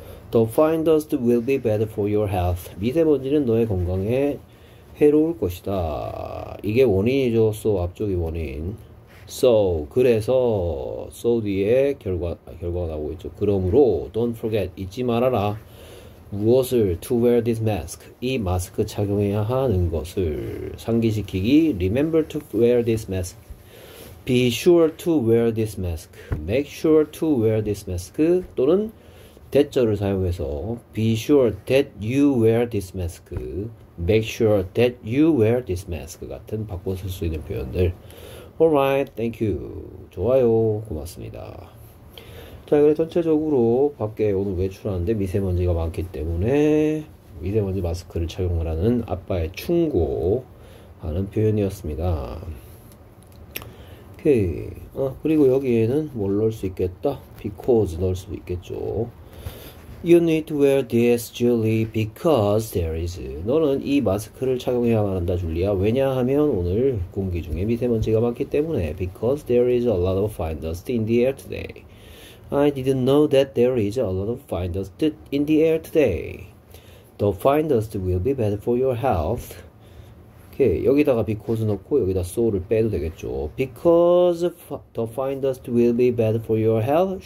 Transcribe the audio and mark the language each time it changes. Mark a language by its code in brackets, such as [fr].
[en] the fine dust will be bad for your health. [ko] 미세먼지는 너의 건강에 해로울 것이다. 이게 원인이죠. so 앞쪽이 원인. So, 그래서, so 뒤에 결과가 나오고 있죠. 그러므로, [en] don't forget, [ko] 잊지 말아라. 무엇을, [en] to wear this mask. [ko] 이 마스크 착용해야 하는 것을. 상기시키기, [en] remember to wear this mask. Be sure to wear this mask. Make sure to wear this mask. [ko] 또는, that절을 사용해서, [en] be sure that you wear this mask. Make sure that you wear this mask. [ko] 같은 바꿔 쓸수 있는 표현들. [en] Alright, thank you. [ko] 좋아요. 고맙습니다. 자, 그래, 전체적으로 밖에 오늘 외출하는데 미세먼지가 많기 때문에 미세먼지 마스크를 착용을 하는 아빠의 충고하는 표현이었습니다. 오케이. 그리고 여기에는 뭘 넣을 수 있겠다? Because 넣을 수도 있겠죠. [en] You need to wear this, Julie, because there is. [ko] 너는 이 마스크를 착용해야만 한다, 줄리아. 왜냐하면 오늘 공기 중에 미세먼지가 많기 때문에. [en] Because there is a lot of fine dust in the air today. I didn't know that there is a lot of fine dust in the air today. The fine dust will be bad for your health. [ko] 오케이. 여기다가 because 넣고 여기다 so를 빼도 되겠죠. [en] Because the fine dust will be bad for your health.